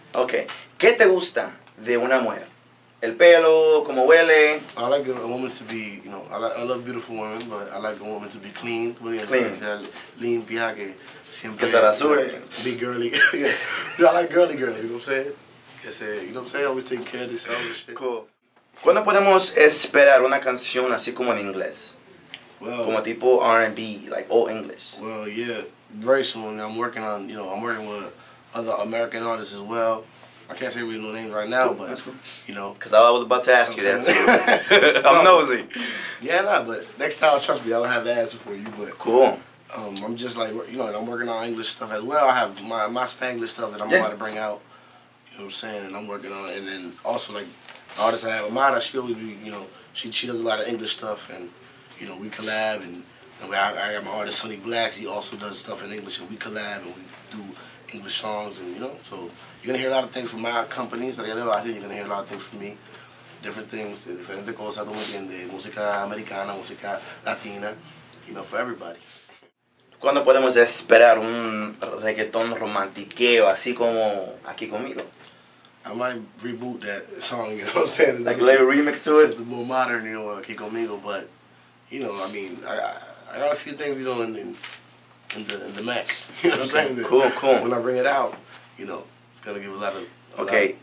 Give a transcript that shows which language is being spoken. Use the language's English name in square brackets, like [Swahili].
[Spanish] Okay. ¿Qué te gusta de una mujer? El pelo, como huele. [English] I like a woman to be, you know, I love beautiful women, but I like a woman to be clean. Clean. [Spanish] Limpia, que siempre. Que se rasure. [English] Be girly. You know, I like girly girls, you know what I'm saying? [Spanish] Que se, [English] you know what I'm saying? Always taking care of this other shit. Cool. [Spanish] ¿Cuándo podemos esperar una canción así como en inglés? [English] Well. [Spanish] Como tipo R&B, [English] like all English. Well, yeah. Very soon. I'm working on, you know, I'm working with other American artists as well. I can't say real names right now, but, cool. You know. Because I was about to ask you that, too. I'm nosy. Yeah, nah, but next time, trust me, I'll have the answer for you, but. Cool. I'm just like, you know, and I'm working on English stuff as well. I have my Spanglish stuff that I'm about to bring out. You know what I'm saying? And I'm working on it. And then also, like, the artist I have, Amada, she always be, you know, she does a lot of English stuff. And, you know, we collab. And I got my artist, Sonny Blacks. He also does stuff in English. And we collab and we do English songs. And, you know, so you're going to hear a lot of things from my companies that I live out here. You're going to hear a lot of things from me. Different things, [Spanish] diferentes cosas, como entiende, música americana, música latina, [English] you know, for everybody. [Spanish] ¿Cuándo podemos esperar un reggaetón romantiqueo, así como aquí conmigo? [English] I might reboot that song, you know what I'm saying? Like, it's like a remix to it? The more modern, you know, aquí conmigo, but, you know, I mean, I got a few things, you know, in the mix, you know what I'm saying? Cool. When I bring it out, you know, it's going to give a lot of... Okay.